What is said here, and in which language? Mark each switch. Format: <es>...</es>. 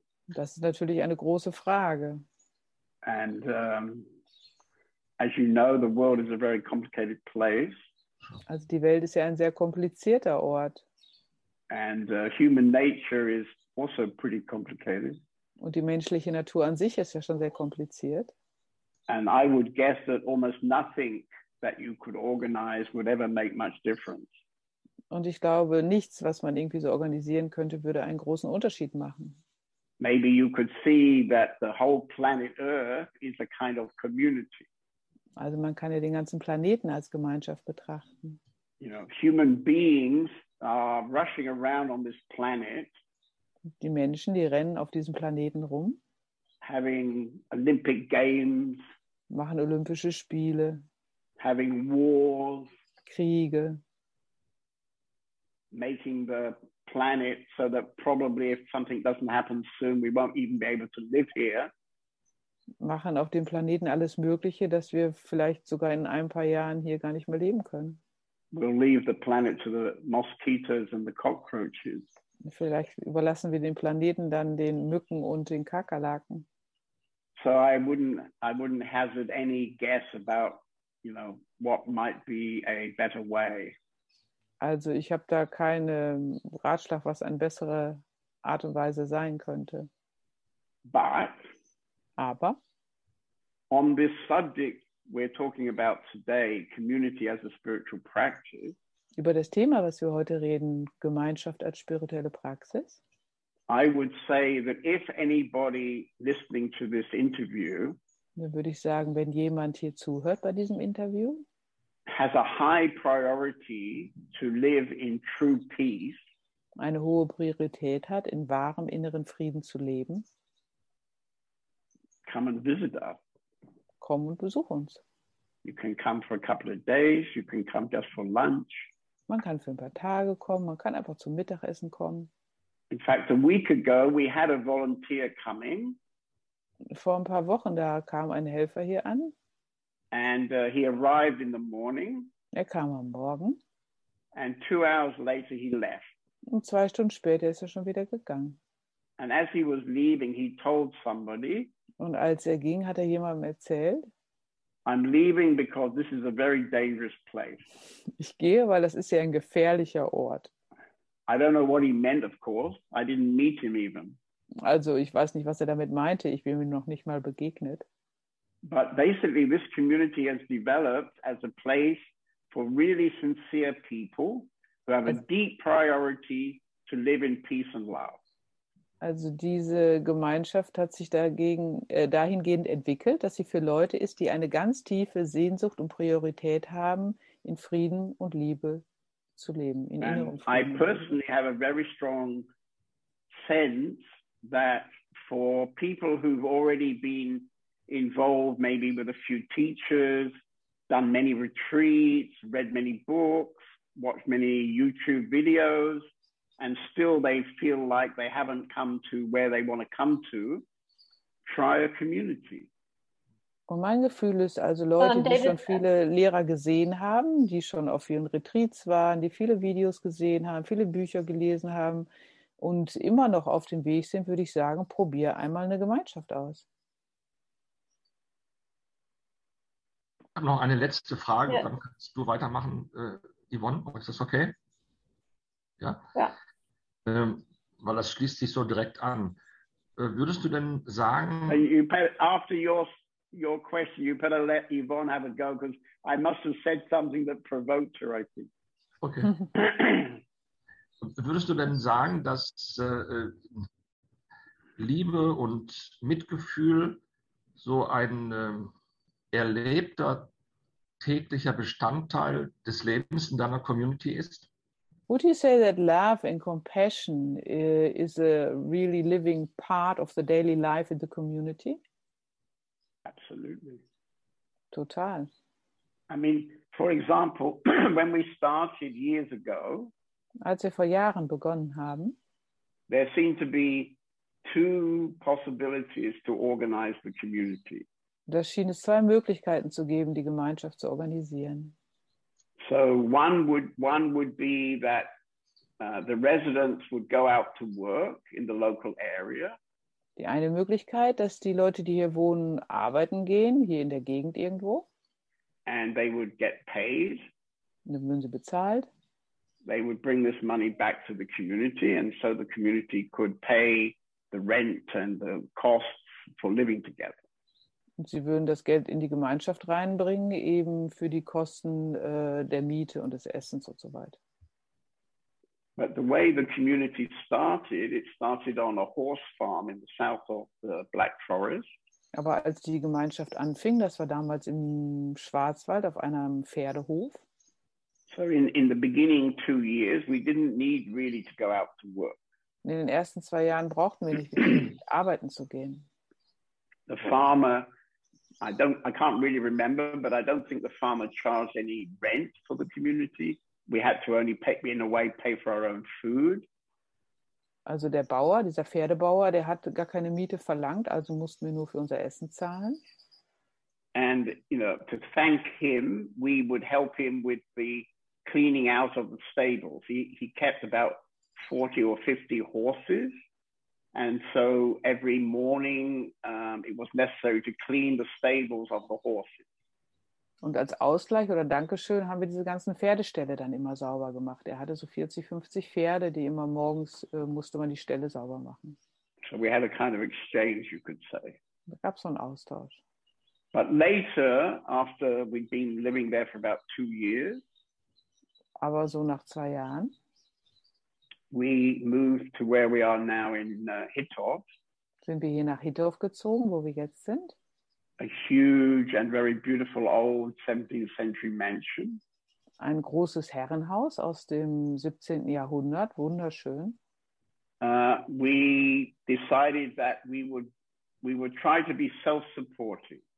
<de>Das ist natürlich eine große Frage.</de> <en>And as you know, the world is a very complicated place.</en> <de>Also die Welt ist ja ein sehr komplizierter Ort.</de> <en>And human nature is also pretty complicated.</en> <de>Und die menschliche Natur an sich ist ja schon sehr kompliziert.</de> <en>And I would guess that almost nothing that you could organize would ever make much difference.</en> <de>Und ich glaube, nichts, was man irgendwie so organisieren könnte, würde einen großen Unterschied machen.</de> <en>Maybe you could see that the whole planet Earth is a kind of community.</en> <de>Also man kann ja den ganzen Planeten als Gemeinschaft betrachten.</de> <en>You know, human beings are rushing around on this planet.</en> <de>Die Menschen, die rennen auf diesem Planeten rum.</de> <en>Having Olympic Games.</en> <de>Machen Olympische Spiele.</de> <en>Having wars.</en> <de>Kriege.</de> <en>Making the planet so that probably if something doesn't happen soon, we won't even be able to live here.</en> <de>Machen auf dem Planeten alles Mögliche, dass wir vielleicht sogar in ein paar Jahren hier gar nicht mehr leben können.</de> <en>We'll leave the planet to the mosquitoes and the cockroaches.</en> <de>Vielleicht überlassen wir den Planeten dann den Mücken und den Kakerlaken.</de> <en>So I wouldn't hazard any guess about, you know, what might be a better way.</en> <de>Also ich habe da keinen Ratschlag, was eine bessere Art und Weise sein könnte.</de> <en>But</en> <de>aber</de> <en>on this subject we're talking about today, community as a spiritual practice,</en> <de>über das Thema, was wir heute reden, Gemeinschaft als spirituelle Praxis,</de> <en>I would say that if anybody listening to this interview,</en> <de>dann würde ich sagen, wenn jemand hier zuhört bei diesem Interview,</de> <en>has a high priority to live in true peace,</en> <de>eine hohe Priorität hat, in wahrem inneren Frieden zu leben,</de> <en>come and visit us.</en> <de>Komm und besuch uns.</de> <en>You can come for a couple of days, you can come just for lunch.</en> <de>Man kann für ein paar Tage kommen, man kann einfach zum Mittagessen kommen.</de> <en>In fact, a week ago we had a volunteer coming.</en> <de>Vor ein paar Wochen da kam ein Helfer hier an.</de> <en>And he arrived in the morning.</en> <de>Er kam am Morgen.</de> <en>And 2 hours later he left.</en> <de>Und 2 Stunden später ist er schon wieder gegangen.</de> <en>And as he was leaving, he told somebody,</en> <de>und als er ging, hat er jemandem erzählt,</de> <en>I'm leaving because this is a very dangerous place.</en> <de>Ich gehe, weil das ist ja ein gefährlicher Ort.</de> <en>I don't know what he meant, of course. I didn't meet him even.</en> <de>Also ich weiß nicht, was er damit meinte. Ich bin ihm noch nicht mal begegnet.</de> <en>But basically this community has developed as a place for really sincere people who have a deep priority to live in peace and love.</en> <de>Also diese Gemeinschaft hat sich dahingehend entwickelt, dass sie für Leute ist, die eine ganz tiefe Sehnsucht und Priorität haben, in Frieden und Liebe zu leben, in innerem Frieden.</de> <en>I personally have a very strong sense that for people who've already been involved maybe with a few teachers, done many retreats, read many books, watched many YouTube videos, and still they feel like they haven't come to where they want to come to, try a community.</en> <de>Und mein Gefühl ist also, Leute, die schon viele Lehrer gesehen haben, die schon auf ihren Retreats waren, die viele Videos gesehen haben, viele Bücher gelesen haben und immer noch auf dem Weg sind, würde ich sagen, probier einmal eine Gemeinschaft aus. Ich habe noch eine letzte Frage, ja. Dann kannst du weitermachen, Yvonne, ist das okay? Ja. Ja. Weil das schließt sich so direkt an. Würdest du denn sagen?</de> <en>After your question, you better let Yvonne have a go, because I must have said something that provoked her, I think. Okay.</en> <de>Würdest du denn sagen, dass Liebe und Mitgefühl so ein erlebter täglicher Bestandteil des Lebens in deiner Community ist?</de> <en>Would you say that love and compassion is a really living part of the daily life in the community? Absolutely.</en> <de>Total.</de> <en>I mean, for example, when we started years ago,</en> <de>als wir vor Jahren begonnen haben,</de> <en>there seemed to be 2 possibilities to organize the community.</en> <de>Da schien es 2 Möglichkeiten zu geben, die Gemeinschaft zu organisieren.</de> <en>So one would be that the residents would go out to work in the local area.</en> <de>Die eine Möglichkeit, dass die Leute, die hier wohnen, arbeiten gehen, hier in der Gegend irgendwo.</de> <en>And they would get paid.</en> <de>dann würden sie bezahlt.</de> <en>They would bring this money back to the community, and so the community could pay the rent and the costs for living together.</en> <de>Und sie würden das Geld in die Gemeinschaft reinbringen, eben für die Kosten der Miete und des Essens und so weiter.</de> <en>But the way the community started, it started on a horse farm in the south of the Black Forest.</en> <de>Aber als die Gemeinschaft anfing, das war damals im Schwarzwald auf einem Pferdehof.</de> <en>So in the beginning 2 years, we didn't need really to go out to work.</en> <de>In den ersten 2 Jahren brauchten wir nicht arbeiten zu gehen.</de> <en>The farmer, I can't really remember, but I don't think the farmer charged any rent for the community. We had to only pay for our own food.</en> <de>Also der Bauer, dieser Pferdebauer, der hat gar keine Miete verlangt, also mussten wir nur für unser Essen zahlen.</de> <en>And you know, to thank him, we would help him with the cleaning out of the stables. He kept about 40 or 50 horses, and so every morning it was necessary to clean the stables of the horses.</en> <de>Und als Ausgleich oder Dankeschön haben wir diese ganzen Pferdeställe dann immer sauber gemacht. Er hatte so 40, 50 Pferde, die immer morgens musste man die Ställe sauber machen.</de> <en>So we had a kind of exchange, you could say.</en> <de>Da gab es so einen Austausch.</de> <en>But later, after we'd been living there for about 2 years,</en> <de>aber so nach 2 Jahren,</de> <en>we moved to where we are now in Hittorf.</en> <de>Sind wir hier nach Hittorf gezogen, wo wir jetzt sind?</de> <en>A huge and very beautiful old 17th century mansion.</en> <de>Ein großes Herrenhaus aus dem 17. Jahrhundert, wunderschön.</de> <en>We decided that we would try to be self-supporting.</en>